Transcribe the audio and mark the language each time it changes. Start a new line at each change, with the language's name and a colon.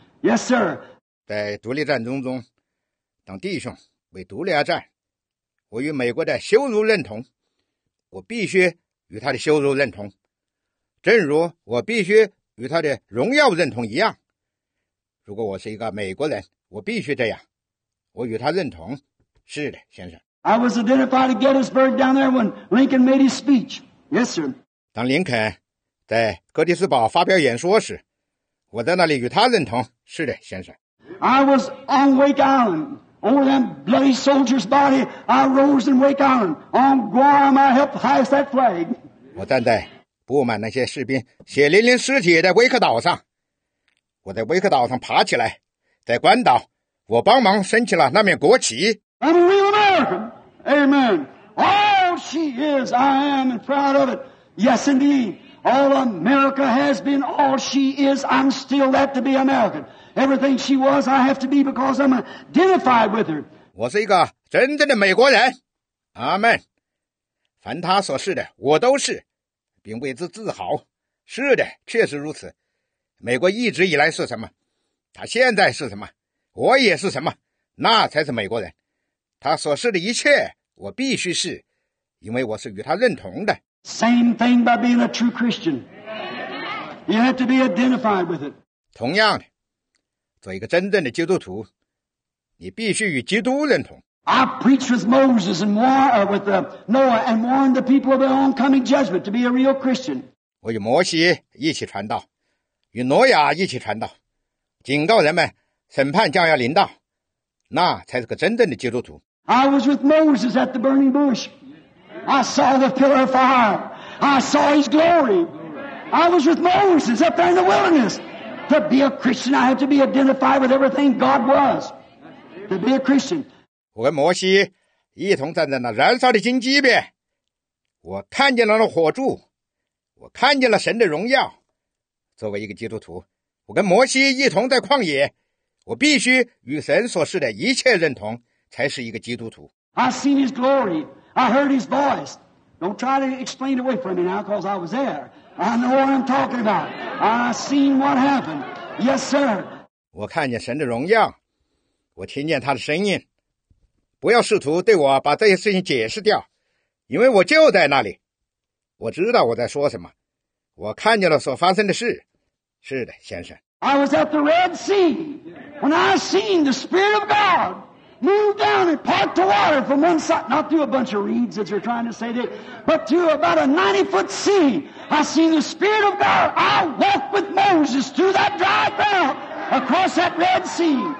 English: Yes, sir.
Chinese: 在独立战争中，当弟兄为独立而战，我与美国的羞辱认同，我必须与他的羞辱认同，正如我必须与他的荣耀认同一样。如果我是一个美国人，我必须这样，我与他认同。是的，先生。
English: I was identified at Gettysburg down there when Lincoln made his speech. Yes, sir.
Chinese: 当林肯在哥迪斯堡发表演说时，我在那里与他认同。是的，先生。
English: I was on Wake Island. Over that bloody soldier's body, I rose in Wake Island. On Guam, I helped hoist that flag.
Chinese: 我站在布满那些士兵血淋淋尸体的威克岛上，我在威克岛上爬起来，在关岛，我帮忙升起了那面国旗。
English: I'm a real American. Amen. All she is, I am, and proud of it. Yes, indeed. All America has been, all she is, I'm still that to be American. Everything she was, I have to be because I'm identified with her.
Chinese: 我是一个真正的美国人。阿们。凡她所是的，我都是。并为之自豪。是的，确实如此。美国一直以来是什么，他现在是什么，我也是什么，那才是美国人。他所是的一切我必须是，因为我是与他认同的。
English: Same thing by being a true Christian. You have to be identified with it.
Chinese: 同样的，做一个真正的基督徒，你必须与基督认同。
English: I preached with Moses and with Noah and warned the people of the oncoming judgment to be a real Christian.
Chinese: 我与摩西一起传道，与挪亚一起传道，警告人们审判将要临到，那才是个真正的基督徒。
English: I was with Moses at the burning bush. I saw the pillar of fire. I saw his glory. I was with Moses up there in the wilderness. To be a Christian, I had to be identified with everything God was. To be a Christian.
Chinese: 我跟摩西一同站在那燃烧的荆棘边，我看见了那火柱，我看见了神的荣耀。作为一个基督徒，我跟摩西一同在旷野，我必须与神所示的一切认同，才是一个基督徒。
English: I seen his glory. I heard his voice. Don't try to explain it away from me now, because I was there. I know what I'm talking about. I seen what happened. Yes, sir.
Chinese: 我看见神的荣耀，我听见他的声音。不要试图对我把这些事情解释掉，因为我就在那里，我知道我在说什么，我看见了所发生的事。是的，先生。
English: I was at the Red Sea when I seen the Spirit of God move down and part the water from one side, not through a bunch of reeds that you're trying to say that, but through about a 90-foot sea. I seen the Spirit of God. I walked with Moses through that dry ground across that Red Sea.